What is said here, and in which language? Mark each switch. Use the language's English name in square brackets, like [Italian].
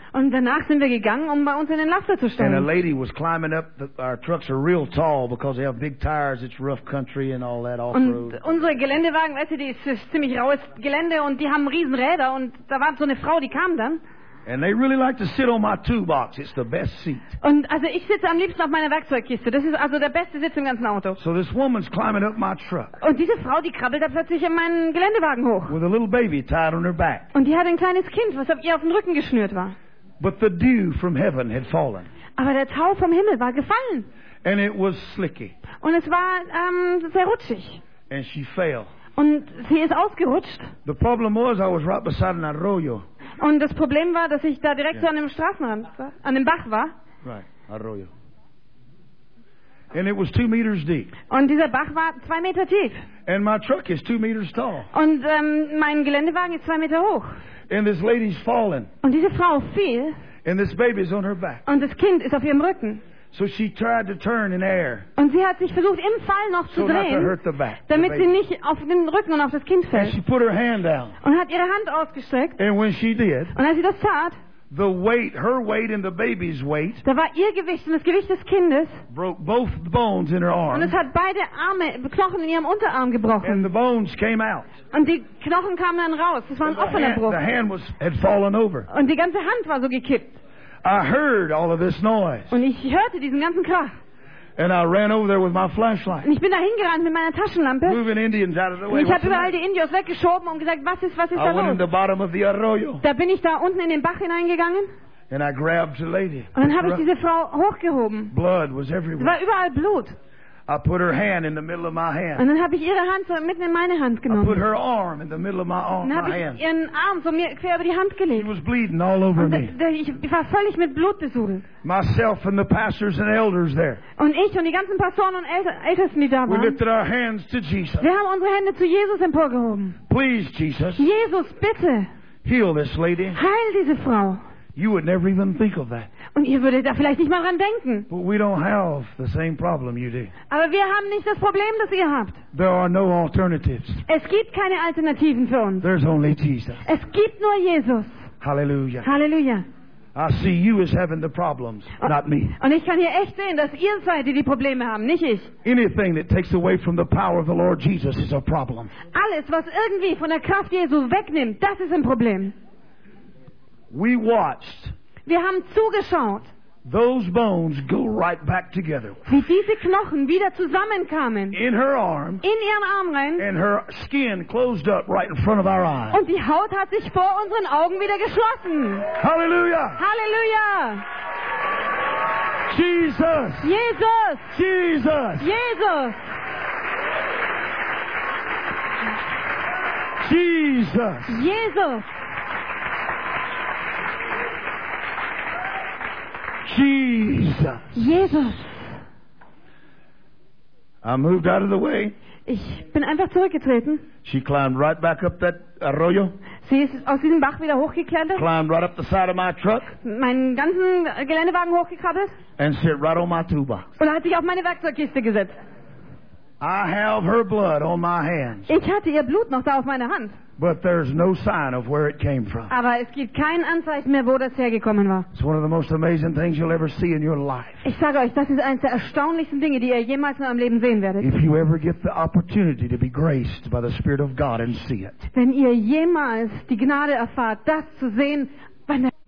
[German] Und danach sind wir gegangen, um bei uns in den Laster zu steigen. [English] And a lady was climbing up. Our trucks are real tall because they have big tires. It's rough country and all that off-road. [German] Und unsere Geländewagen, weißt du, die ist ziemlich raues Gelände und die haben riesen Räder. Und da war so eine Frau, die kam dann. [English] And they really like to sit on my toolbox. It's the best seat. [German] Und also ich sitze am liebsten auf meiner Werkzeugkiste. Das ist also der beste Sitz im ganzen Auto. [English] So this woman's climbing up my truck. [German] Und diese Frau, die krabbelt da plötzlich in meinen Geländewagen hoch. [English] With a little baby tied on her back. [German] Und die hat ein kleines Kind, was auf ihr auf den Rücken geschnürt war. [English] But the dew from heaven had fallen. [German] Aber der Tau vom Himmel war gefallen. [English] And it was slicky. [German] Und es war sehr rutschig. [English] And she fell. [German] Und sie ist ausgerutscht. [English] The problem was, I was right beside an arroyo. [German] Und das Problem war, dass ich da direkt so an dem Straßenrand, an dem Bach war. [English] Right, arroyo. And it was 2 meters deep. [German] Und dieser Bach war 2 Meter tief. [English] And my truck is 2 meters tall. [German] Und mein Geländewagen ist 2 Meter hoch. [English] And this lady's fallen. [German] Und diese Frau fiel. [English] And this baby's on her back. [German] Und das Kind ist auf ihrem Rücken. [English] So she tried to turn in air. [German] Und sie hat sich versucht im Fall noch zu drehen, damit sie nicht auf den Rücken und auf das Kind fällt. [English] And she put her hand down. [German] Und hat ihre Hand ausgestreckt. [English] And when she did, [German] und als sie das tat, [English] the weight, her weight and the baby's weight, [German] da war ihr Gewicht und das Gewicht des Kindes, [English] broke both bones in her arm. [German] Und es hat beide Arme, Knochen in ihrem Unterarm gebrochen. [English] And the bones came out. [German] Und die Knochen kamen dann raus. Es war ein offener Bruch. [English] The hand was, had fallen over. [German] Und die ganze Hand war so gekippt. [English] I heard all of this noise. [German] Und ich hörte diesen ganzen Krach. [English] And I ran over there with my flashlight. [German] Und ich bin da hingerannt mit meiner Taschenlampe. [English] Moving Indians out of the way. [German] Ich habe überall die Indios weggeschoben und gesagt, was ist da los? [English] I went in the bottom of the arroyo. [German] Da bin ich da unten in den Bach hineingegangen. [English] And I grabbed the lady. [German] Und dann habe ich diese Frau hochgehoben. [English] Blood was everywhere. [German] Es war überall Blut. [English] I put her hand in the middle of my hand. [German] Und dann habe ich ihre Hand so mitten in meine Hand genommen. [English] I put her arm in the middle of my arm. [German] Dann habe ich ihren Arm so mir quer über die Hand gelegt. [English] She was bleeding all over me. [German] Ich war völlig mit Blut besudelt. [English] Myself and the pastors and elders there. [German] Und ich und die ganzen Pastoren und Ältesten, die da waren. [English] We lifted our hands to Jesus. [German] Wir haben unsere Hände zu Jesus emporgehoben. [English] Please, Jesus. [German] Jesus, bitte. [English] Heal this lady. [German] Heil diese Frau. [English] You would never even think of that. [German] Und ihr würdet da vielleicht nicht mal dran denken. [English] But we don't have the same problem you do. [German] Aber wir haben nicht das Problem, das ihr habt. [English] There are no alternatives. [German] Es gibt keine Alternativen für uns. [English] There's only Jesus. [German] Es gibt nur Jesus. [English] Hallelujah. [German] Hallelujah. [English] I see you as having the problems, not me. [German] Und ich kann hier echt sehen, dass ihr seid, die Probleme haben, nicht ich. [English] Anything that takes away from the power of the Lord Jesus is a problem. [German] Alles, was irgendwie von der Kraft Jesu wegnimmt, das ist ein Problem. [English] We watched. [German] Wir haben zugeschaut. [English] Those bones go right back together. [German] Wie diese Knochen wieder zusammenkamen. [English] In her arm. [German] In ihren Arm rein. [English] And her skin closed up right in front of our eyes. [German] Und die Haut hat sich vor unseren Augen wieder geschlossen. [English] Hallelujah. [German] Hallelujah. [English] Jesus. [German] Jesus. [English] Jesus. [German] Jesus. [English] Jesus. [German] Jesus. [English] Jesus. [German] Jesus. [English] I moved out of the way. [German] Ich bin einfach zurückgetreten. [English] She climbed right back up that arroyo. [German] Sie ist aus diesem Bach wieder hochgeklettert. [English] Climbed right up the side of my truck. [German] Meinen ganzen Geländewagen hochgekrabbelt. [English] And sit right on my toolbox. [German] Und hat sich auf meine Werkzeugkiste gesetzt. [English] I have her blood on my hands. [German] Ich hatte ihr Blut noch da auf meiner Hand. [English] But there's no sign of where it came from. [German] Aber es gibt kein Anzeichen mehr, wo das hergekommen war. [English] It's one of the most amazing things you'll ever see in your life. [German] Ich sage euch, das ist eines der erstaunlichsten Dinge, die ihr jemals in eurem Leben sehen werdet. [English] If you ever get the opportunity to be graced by the Spirit of God and see it. [German] Wenn ihr jemals die Gnade erfahrt, das zu sehen, wenn der